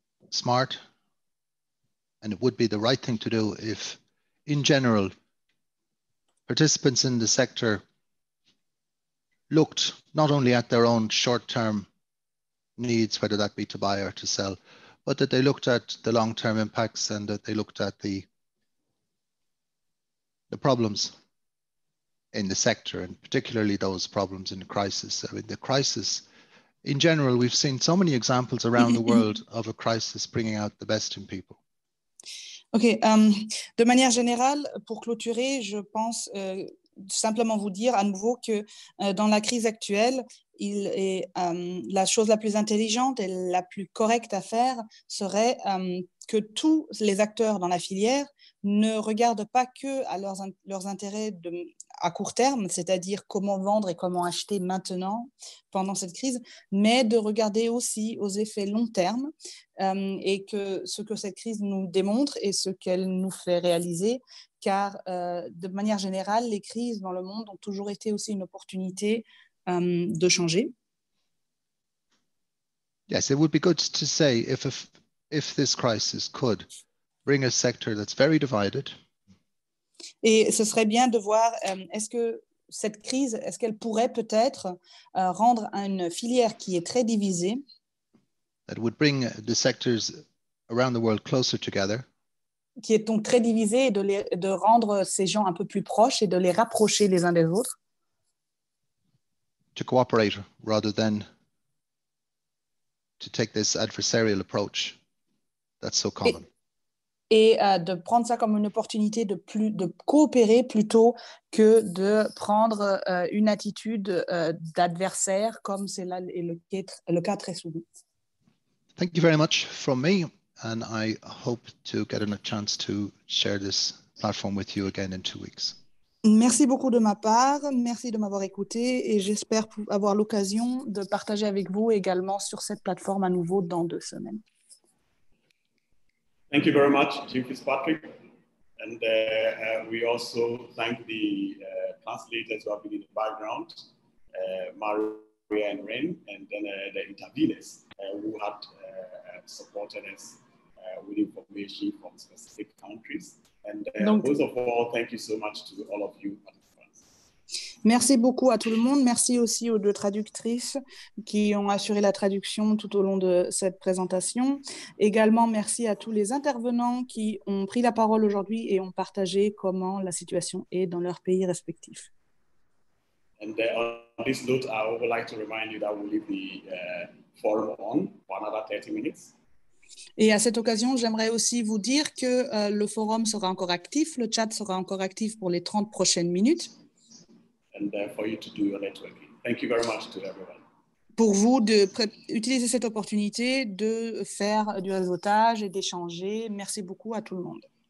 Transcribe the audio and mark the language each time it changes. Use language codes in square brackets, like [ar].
[en] smart and it would be the right thing to do if, in general, participants in the sector looked not only at their own short-term needs, whether that be to buy or to sell, but that they looked at the long-term impacts and that they looked at the problems in the sector, and particularly those problems in the crisis. I mean, the crisis in general, we've seen so many examples around the world of a crisis bringing out the best in people. [fr] Okay, de manière générale, pour clôturer, je pense simplement vous dire à nouveau que dans la crise actuelle, il est, la chose la plus intelligente et la plus correcte à faire serait que tous les acteurs dans la filière ne regardent pas que à leurs intérêts à court terme, c'est-à-dire comment vendre et comment acheter maintenant pendant cette crise, mais de regarder aussi aux effets long terme et que ce que cette crise nous démontre et ce qu'elle nous fait réaliser, car de manière générale, les crises dans le monde ont toujours été aussi une opportunité de changer. [en] Yes, it would be good to say if this crisis could bring a sector that's very divided. [fr] Et ce serait bien de voir, est-ce que cette crise, est-ce qu'elle pourrait peut-être rendre une filière qui est très divisée? [en] That would bring the sectors around the world closer together. [fr] Qui est donc très divisé et de rendre ces gens un peu plus proches et de les rapprocher les uns des autres. [en] To cooperate rather than to take this adversarial approach that's so common. [fr] Et de prendre ça comme une opportunité de coopérer plutôt que de prendre une attitude d'adversaire comme c'est là le cas très souvent. [en] Thank you very much from me. And I hope to get a chance to share this platform with you again in 2 weeks. [fr] Merci beaucoup de ma part. Merci de m'avoir écouté. Et j'espère avoir l'occasion de partager avec vous également sur cette plateforme à nouveau dans 2 semaines. [en] Thank you very much, Jim Fitzpatrick. And we also thank the translators who have been in the background, Maria and Ren, and then the interveners who had supported us with information from specific countries. And Donc, most of all, thank you so much to all of you. [fr] Merci beaucoup à tout le monde. Merci aussi aux deux traductrices qui ont assuré la traduction tout au long de cette présentation. Également, merci à tous les intervenants qui ont pris la parole aujourd'hui et ont partagé comment la situation est dans leurs pays respectifs. [en] And on this note, I would like to remind you that we'll leave the forum on for another 30 minutes. [fr] Et à cette occasion, j'aimerais aussi vous dire que le forum sera encore actif, le chat sera encore actif pour les 30 prochaines minutes. [en] And for you to do your networking. Thank you very much to everyone. [fr] Pour vous de utiliser cette opportunité de faire du réseautage et d'échanger. Merci beaucoup à tout le monde.